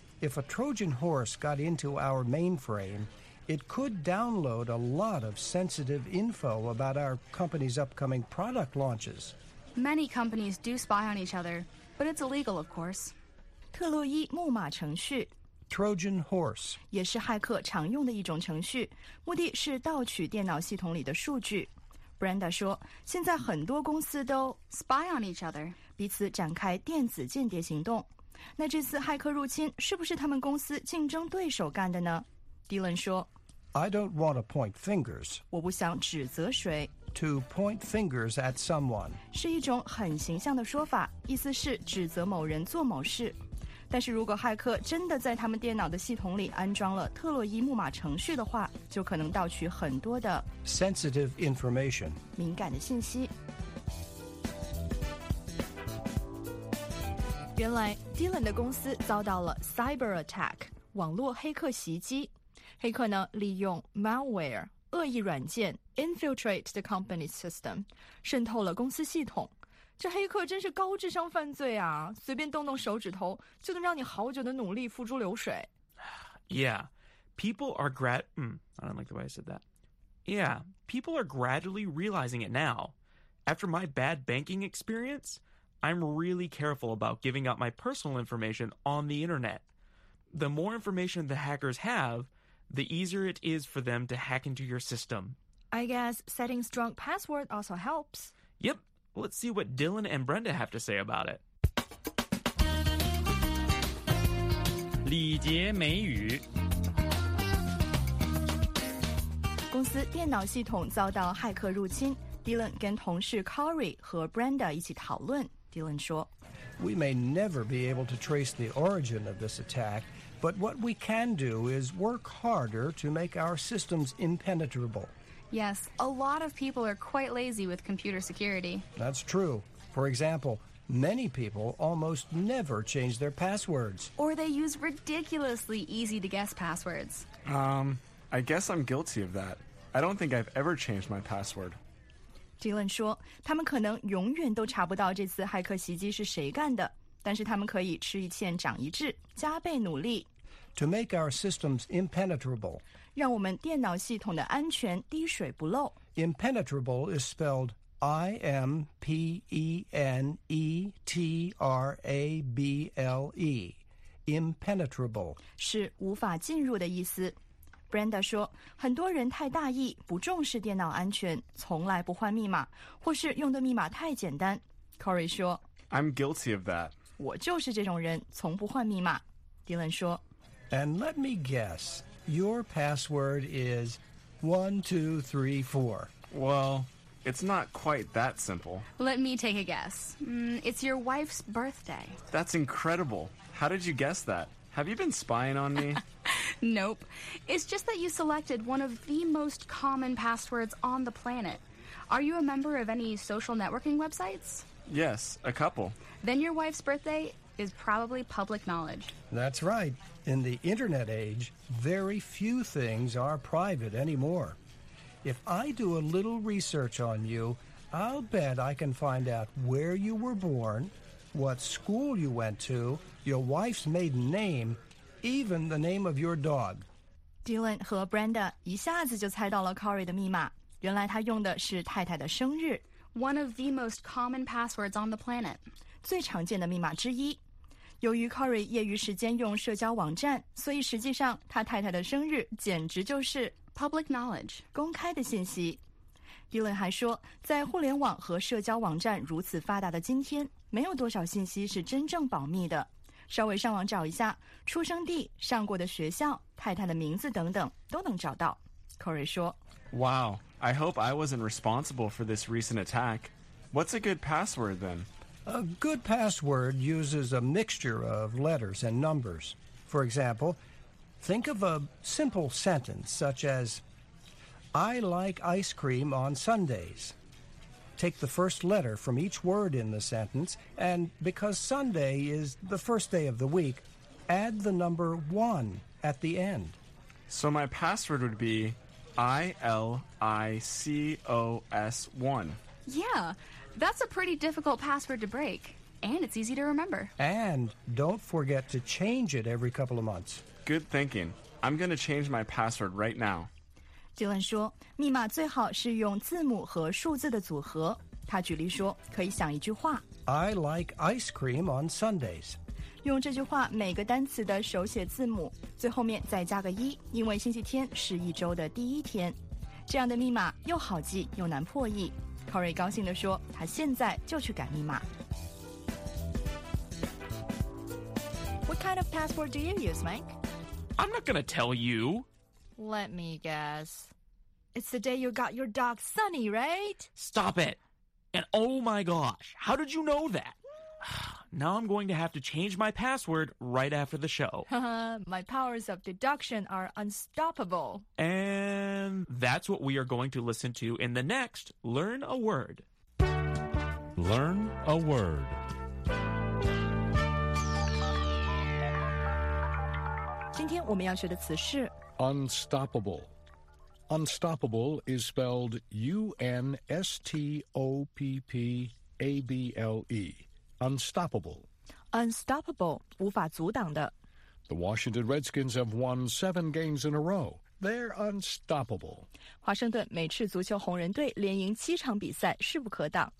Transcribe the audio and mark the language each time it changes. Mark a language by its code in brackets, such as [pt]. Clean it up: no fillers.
[en] If a Trojan horse got into our mainframe, it could download a lot of sensitive info about our company's upcoming product launches. Many companies do spy on each other, but it's illegal, of course. [zh] 特洛伊木马程序 [en] Trojan horse [zh] 也是骇客常用的一种程序，目的是盗取电脑系统里的数据。 Brenda 说，现在很多公司都 [en] spy on each other, [zh] 彼此展开电子间谍行动。那这次骇客入侵是不是他们公司竞争对手干的呢？迪伦说 [en] I don't want to point fingers. [zh] 我不想指责谁。 [en] To point fingers at someone. [zh] 是一种很形象的说法，意思是指责某人做某事。但是如果骇客真的在他们电脑的系统里安装了特洛伊木马程序的话，就可能盗取很多的 [en] sensitive information. [zh] 敏感的信息。原来 Dylan 的公司遭到了 cyber attack 网络黑客袭击，黑客呢利用 malware 恶意软件 [en] infiltrate the company's system [zh] 渗透了公司系统。这黑客真是高智商犯罪啊，随便动动手指头就能让你好久的努力付诸流水。 [en] Yeah, people are I don't like the way I said that. Yeah, people are gradually realizing it now. After my bad banking experienceI'm really careful about giving out my personal information on the internet. The more information the hackers have, the easier it is for them to hack into your system. I guess setting strong password also helps. Yep. Let's see what Dylan and Brenda have to say about it. [zh] 礼节美语。公司电脑系统遭到骇客入侵。Dylan 跟同事 Corey 和 Brenda 一起讨论。 Dylan 说 [en] We may never be able to trace the origin of this attack, but what we can do is work harder to make our systems impenetrable. Yes, a lot of people are quite lazy with computer security. That's true. For example, many people almost never change their passwords. Or they use ridiculously easy-to-guess passwords. I guess I'm guilty of that. I don't think I've ever changed my password. [zh] Dylan 说，他们可能永远都查不到这次骇客袭击是谁干的，但是他们可以吃一堑长一智，加倍努力。 [en] To make our systems impenetrable. [zh] 让我们电脑系统的安全滴水不漏。 [en] Impenetrable is spelled I-M-P-E-N-E-T-R-A-B-L-E. Impenetrable. [zh] 是无法进入的意思。 Brenda 说，很多人太大意，不重视电脑安全，从来不换密码，或是用的密码太简单。 Corey 说 [en] I'm guilty of that. [zh] 我就是这种人，从不换密码。 Dylan 说 [en] And let me guess, your password is 1234. Well, it's not quite that simple. Let me take a guess. It's your wife's birthday. That's incredible. How did you guess that? Have you been spying on me? Nope. It's just that you selected one of the most common passwords on the planet. Are you a member of any social networking websites? Yes, a couple. Then your wife's birthday is probably public knowledge. That's right. In the internet age, very few things are private anymore. If I do a little research on you, I'll bet I can find out where you were born, what school you went to, your wife's maiden name, even the name of your dog. [zh] Dylan 和 Brenda 一下子就猜到了 Corey 的密码，原来他用的是太太的生日。 [en] One of the most common passwords on the planet. [zh] 最常见的密码之一。由于 Corey 业余时间用社交网站，所以实际上他太太的生日简直就是 [en] public knowledge, [zh] 公开的信息。 Dylan 还说，在互联网和社交网站如此发达的今天，没有多少信息是真正保密的。稍微上网找一下，出生地、上过的学校、太太的名字等等，都能找到。 Corey 说 [en] ，Wow, I hope I wasn't responsible for this recent attack. What's a good password then? A good password uses a mixture of letters and numbers. For example, think of a simple sentence such as. I like ice cream on Sundays. Take the first letter from each word in the sentence, and because Sunday is the first day of the week, add the number one at the end. So my password would be ILICOS1. Yeah, that's a pretty difficult password to break, and it's easy to remember. And don't forget to change it every couple of months. Good thinking. I'm going to change my password right now. [zh] Dylan 说，密码最好是用字母和数字的组合。他举例说，可以想一句话 [en] ：I like ice cream on Sundays。 [zh] 用这句话每个单词的手写字母，最后面再加个一，因为星期天是一周的第一天。这样的密码又好记又难破译。Corey 高兴地说，他现在就去改密码。 [en] What kind of password do you use, Mike? I'm not going to tell you. Let me guess. It's the day you got your dog Sunny, right? Stop it. And oh my gosh, how did you know that? Now I'm going to have to change my password right after the show. My powers of deduction are unstoppable. And that's what we are going to listen to in the next Learn a Word. Learn a Word. [zh] 今天我们要学的词是 [en] unstoppable. Unstoppable is spelled U-N-S-T-O-P-P-A-B-L-E. Unstoppable. [zh] Unstoppable, 无法阻挡的。 [en] The Washington Redskins have won 7 games in a row. They're unstoppable. [zh] 华盛顿美式足球红人队连赢七场比赛势不可挡。